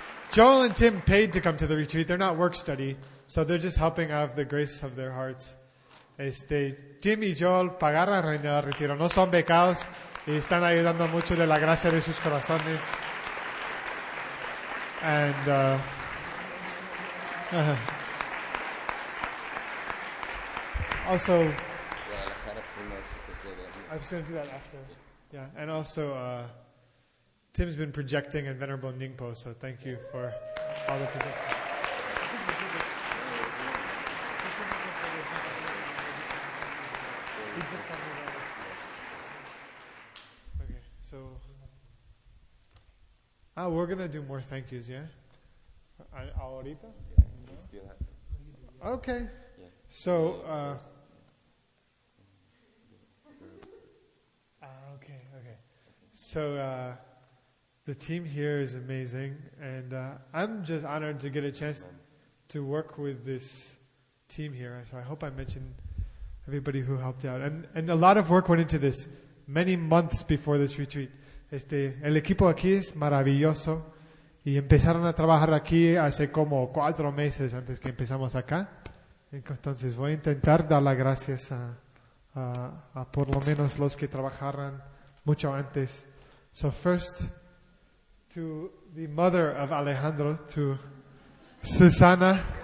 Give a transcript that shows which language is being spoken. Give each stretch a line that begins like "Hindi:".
English: Joel and Tim paid to come to the retreat. They're not work study, so they're just helping out of the grace of their hearts.
Spanish: Tim y Joel pagaron el retiro. No son becados y están ayudando mucho de la gracia de sus corazones.
English: And also, I was going to do that after. Yeah, and also, Tim's been projecting in Venerable Ningpo, so thank you for all the projection. Okay, so we're gonna do more thank yous, yeah?
Spanish: Ahorita?
English: Okay. So the team here is amazing, and I'm just honored to get a chance to work with this team here. So I hope I mentioned everybody who helped out. And a lot of work went into this many months before this retreat.
Spanish: El equipo aquí es maravilloso, y empezaron a trabajar aquí hace como 4 meses antes que empezamos acá. Entonces voy a intentar dar las gracias a por lo menos los que trabajaron mucho antes.
English: So first, to the mother of Alejandro, to Susana.